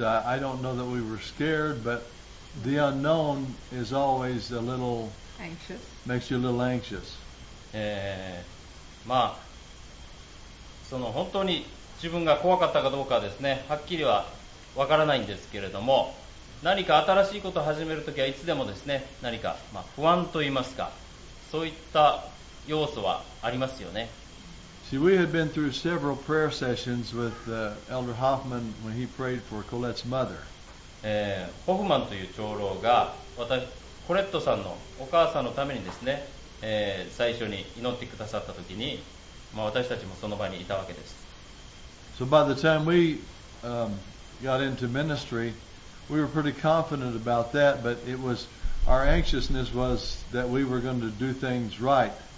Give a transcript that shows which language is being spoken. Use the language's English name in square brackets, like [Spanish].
[English] I don't know that we were scared, but the unknown is always a little anxious. Makes you a little anxious. [Japanese] まあ、その本当に自分が怖かったかどうかはですね、はっきりはわからないんですけれども、何か新しいことを始めるときはいつでもですね、何か、まあ、不安といいますか、そういった要素はありますよね。 [English] See, we had been through several prayer sessions with Elder Hoffman when he prayed for Colette's mother. [Japanese] ホフマンという長老が私コレットさんのお母さんのためにですね、最初に祈ってくださったときに、まあ、私たちもその場にいたわけです。 [English] So by the time we got into ministry, we were pretty confident about that, but it was our anxiousness was that we were going to do things right.